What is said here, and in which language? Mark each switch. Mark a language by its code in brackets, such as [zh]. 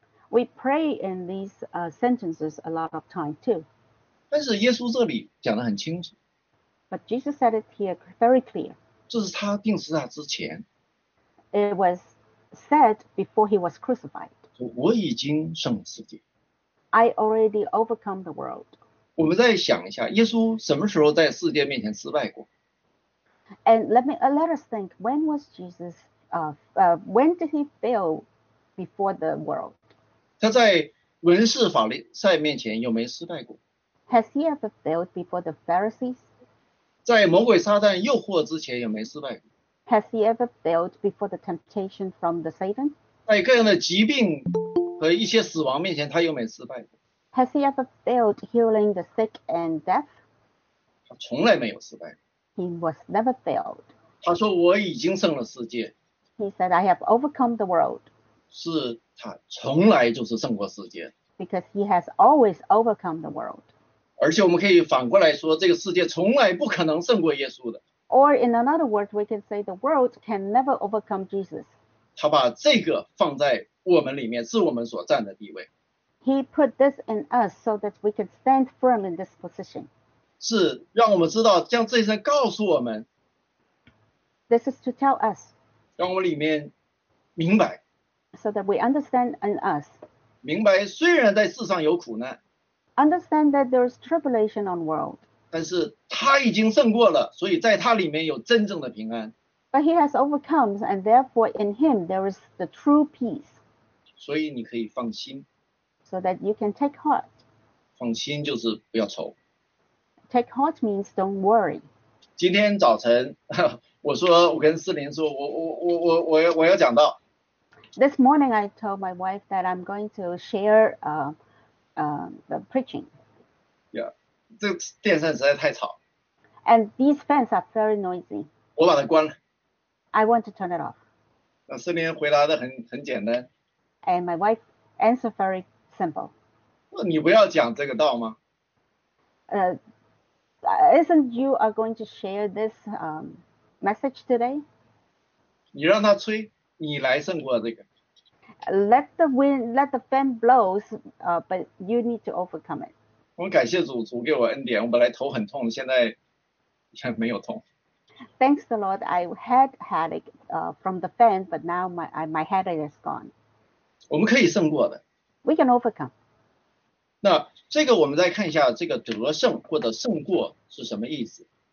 [en] We pray in these sentences a lot of time too. [zh] 但是耶稣这里讲得很清楚。 [en] But Jesus said it here very clear. [zh] 这是他钉十字架之前。 [en] It was said before he was crucified. [zh] 我已经胜了世界。 [en] I already overcome the world. [zh] 我们再想一下，耶稣什么时候在世界面前失败过？ [en] And let us think, when was Jesus, when did he fail before the world? [zh] 他在文士法利赛面前有没有失败过？ [en] Has he ever failed before the Pharisees? [zh] 在魔鬼撒旦诱惑之前有没有失败过？ [en] Has he ever failed before the temptation from the Satan? [zh] 在各样的疾病和一些死亡面前，他有没有失败过？ [en] Has he ever failed healing the sick and deaf? [zh] 他从来没有失败过。 [en] He was never failed. [zh] 他说我已经胜了世界。 [en] He said I have overcome the world. [zh] 是他从来就是胜过世界。 [en] Because he has always overcome the world. [zh] 而且我们可以反过来说，这个世界从来不可能胜过耶稣的。 [en] Or in another word, we can say the world can never overcome Jesus. [zh] 他把这个放在我们里面，是我们所站的地位。 [en] He put this in us so that we can stand firm in this position. [zh] 是让我们知道，将这些告诉我们。 [en] This is to tell us. [zh] 让我里面明白。 [en] So that we understand in us. [zh] 明白，虽然在世上有苦难。 [en] Understand that there is tribulation on world. [zh] 但是。他已经胜过了，所以在他里面有真正的平安。 [en] But he has overcome, and therefore in him there is the true peace. [zh] 所以你可以放心。 [en] So that you can take heart. [zh] 放心就是不要愁。 [en] Take heart means don't worry. [zh] 今天早晨，我说我跟思琳说，我要讲到。 [en] This morning I told my wife that I'm going to share the preaching. [zh] Yeah. 这电扇实在太吵。 [en] And these fans are very noisy. [zh] 我把它关了。 [en] I want to turn it off. [zh] 思琳回答的很简单。 [en] And my wife answered very simple. [zh] 你不要讲这个道吗？ [en] Isn't you are going to share this message today? [zh] 你让它吹，你来胜过这个。 [en] Let the fan blows, but you need to overcome it. [zh] 我感谢主给我恩典，我本来头很痛，现在还没有痛。 [en] Thanks the Lord, I had headache from the fan, but now my headache is gone. [zh] 我们可以胜过的。 [en] We can overcome. [zh] 那这个我们再看一下，这个得胜或者胜过是什么意思？